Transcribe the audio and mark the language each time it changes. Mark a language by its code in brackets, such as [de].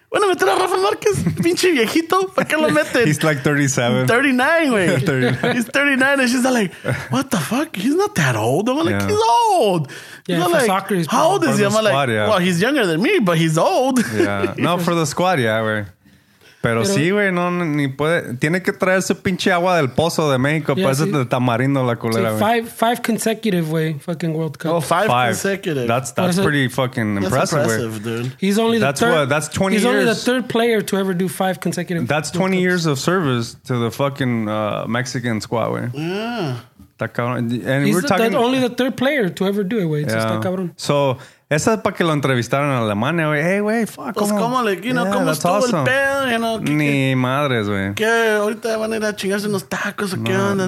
[es] ¿Van a meter a Rafa Márquez? ¿Pinche viejito? ¿Para qué lo meten? [en] He's like 37. 39, güey. He's 39 and she's like, what the fuck? He's not that old. I'm like, he's old. Yeah, for like, soccer, he's how old is he? I'm squad, like, yeah. Well, he's younger than me, but he's old. [es] Yeah. No, [en] for the squad, [es] yeah, güey. Pero sí, güey, no, ni puede. Tiene que traer su pinche agua del pozo de México. Yeah, parece de tamarindo la culera, güey. [en] Five consecutive, güey, fucking World Cup. Oh, five. Consecutive. That's pretty fucking impressive, güey. That's impressive, dude. That's 20 years. He's only the third player to ever do five consecutive. That's 20 years of service to the fucking Mexican squad, güey. Yeah. And we're talking... only the third player to ever do it, güey. Yeah. So... [es] Esa es para que lo entrevistaron en Alemania, güey. [en] Hey, güey, fuck. [es] Pues, ¿cómo le, cómo estuvo awesome. El pedo? Ni madres, güey. ¿Qué? ¿Ahorita van a ir a chingarse unos tacos o qué onda?